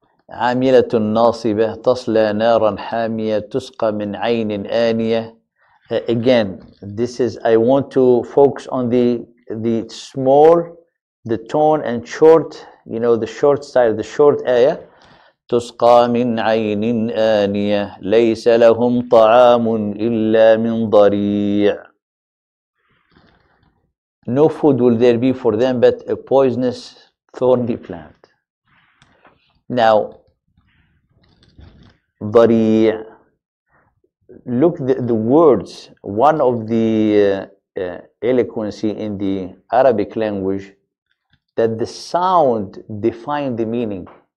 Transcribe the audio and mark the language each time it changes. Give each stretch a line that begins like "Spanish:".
Arabic: عاملة ناصبة تصلى نارا حامية تسقى من عين آنية.
English: Again, this is, I want to focus on the small, the tone and short, you know, the short style, the short ayah.
Arabic: تسقى من عين آنية ليس لهم طعام إلا من ضريع.
English: No food will there be for them but a poisonous thorny plant. Now ضريع. Look the words, one of the eloquency in the Arabic language, that the sound defines the meaning.